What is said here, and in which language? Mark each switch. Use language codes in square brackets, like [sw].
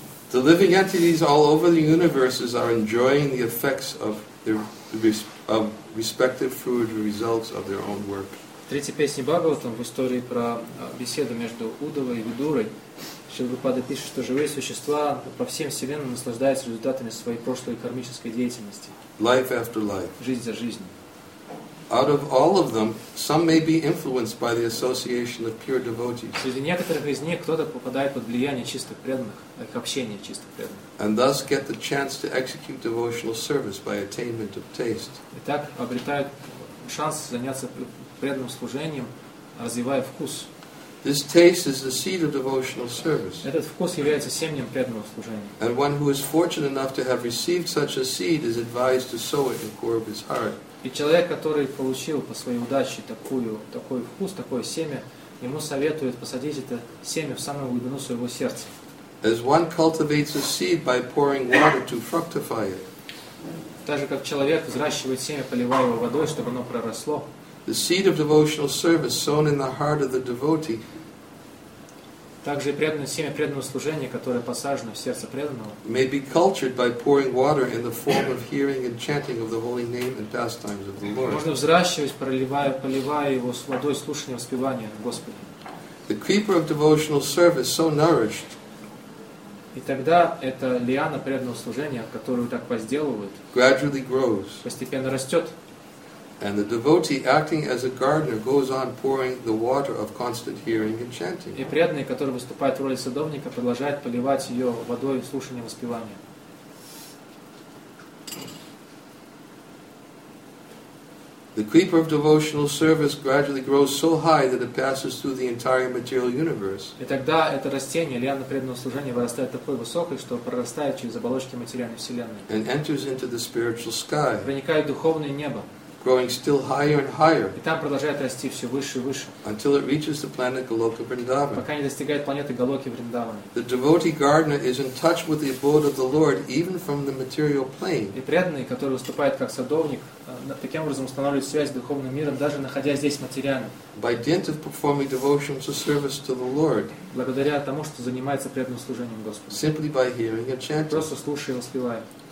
[en] The living entities all over the universes are enjoying the effects of their of respective fruit results of their own work. [ru] Третья песня Бхагаватам в истории про беседу между Удавой и Видурой. Шрилупада пишет, что живые существа по всем вселенным наслаждаются результатами своей прошлой кармической деятельности. [en] Life after life. [ru] Жизнь за жизнью. [en] Out of all of them, some may be influenced by the association of pure devotees. [ru] Среди некоторых из них кто-то попадает под влияние чистых преданных, их общение чистых преданных. [en] And thus get the chance to execute devotional service by attainment of taste. [ru] И так обретают шанс заняться преданным служением, развивая вкус. [en] This taste is the seed of devotional service. [ru] Этот вкус является семенем преданного служения. [en] And one who is fortunate enough to have received such a seed is advised to sow it in the core of his heart. [ru] И человек, который получил по своей удаче такой вкус, такое семя, ему советуют посадить это семя в самую глубину своего сердца. [en] As one cultivates a seed by pouring water to fructify it. [ru] Так же, как человек взращивает семя, поливая его водой, чтобы оно проросло. [en] The seed of devotional service sown in the heart of the devotee. [ru] Также преданное семя преданного служения, которое посажено в сердце преданного, [en] may be cultured by pouring water in the form of hearing and chanting of the holy name and pastimes of the Lord. [ru] Можно взращивать, поливая его с водой слушания и воспевания Господа. [en] The creeper of devotional service so nourished. [ru] И тогда эта лиана преданного служения, которую так возделывают, [en] gradually grows. [ru] Постепенно растет. [en] And the devotee, acting as a gardener, goes on pouring the water of constant hearing and chanting. [ru] И преданный, который выступает в роли садовника, продолжает поливать ее водой слушания и воспевания. [en] The creeper of devotional service gradually grows so high that it passes through the entire material universe. [ru] И тогда это растение, лиана преданного служения, вырастает такой высокой, что прорастает через оболочки материальной вселенной. [en] And enters into the spiritual sky. [ru] Проникает в духовное небо. [en] Growing still higher and higher. [ru] И там продолжает расти все выше и выше. [en] Until it reaches the planet Goloka Vrindavan. [ru] Пока не достигает планеты Голоки Вриндаван. [en] The devotee gardener is in touch with the abode of the Lord even from the material plane. [ru] И преданный, который выступает как садовник, таким образом устанавливает связь с духовным миром, даже находясь здесь материально. [en] By dint of performing devotional service to the Lord. [ru] Благодаря тому, что занимается преданным служением Господу. [en] Simply by hearing and chanting. [ru] Просто слушая и воспевая.